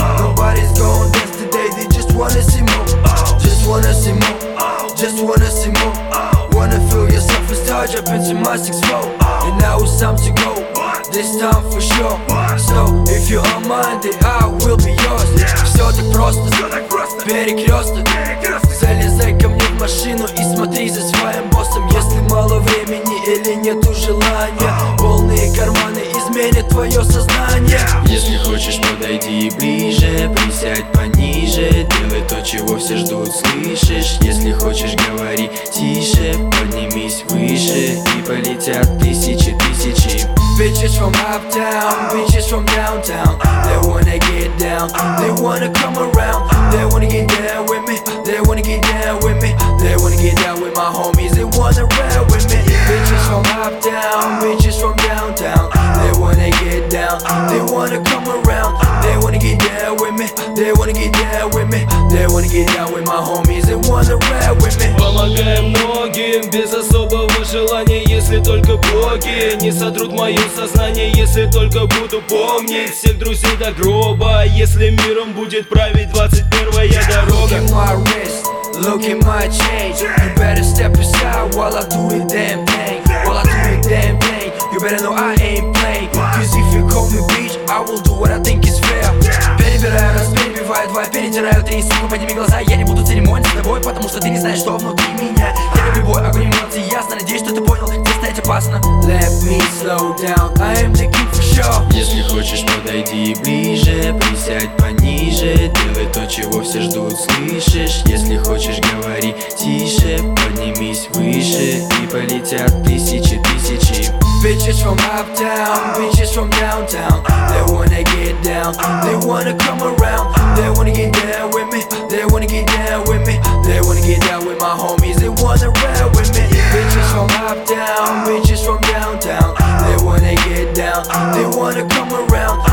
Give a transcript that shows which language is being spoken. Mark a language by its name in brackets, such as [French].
[English] Nobody's gonna dance today, they just wanna see more. Just wanna see more, just wanna see more. Wanna feel yourself and start up into my 6-4. And now it's time to go, this time for sure. So if you're on mine, then I will be yours. [Russian] Все так просто, перекресток. Залезай ко мне в машину и смотри за своим боссом. Если мало времени или нету желания, полные карманы изменят твое сознание. Если хочешь, подойди ближе, присядь пониже. Делай то, чего все ждут, слышишь? Если хочешь, говори тише, поднимись выше. И полетят тысячи, тысячи. [English] Bitches from uptown, bitches from downtown. They wanna get down, they wanna come around. They wanna get down with me, they wanna get down with me. They wanna get down with my homies, they wanna ride with me. Bitches from uptown, bitches from downtown. They wanna get down, they wanna come around. They wanna get down with me, they wanna get down with me. They wanna get down with my homies, they wanna ride with me. [Russian] Помогаем многим без особого желания. Если только боги не сотрут мое сознание. Если только буду помнить всех друзей до гроба. Если миром будет править 21-я дорога. [English] Look at my wrist, look at my chain. You better step aside while I do the damn thing. While I do the damn thing, you better know I ain't playing. Cause if you call me bitch, I will do what I think is fair. [Russian] Перебираю, разбиваю два, перетираю три. Сука, подними глаза, я не буду церемониться с тобой. Потому что ты не знаешь, что внутри меня. Я люблю бой, огонь эмоций, ясно. Надеюсь, что ты понял, где стоять опасно. [English] Let me slow down, I am the king for sure. [Russian] Если хочешь, подойди ближе, присядь пониже. Делай то, чего все ждут, слышишь? Если хочешь, говори тише, поднимись выше. И полетят тысячи, тысячи. [English] Bitches from uptown, bitches from downtown. They wanna get down, they wanna come around. They wanna get down with me, they wanna get down with me. They wanna get down with my homies, they wanna ride with me. Bitches from uptown, bitches from downtown. They wanna get down, they wanna come around.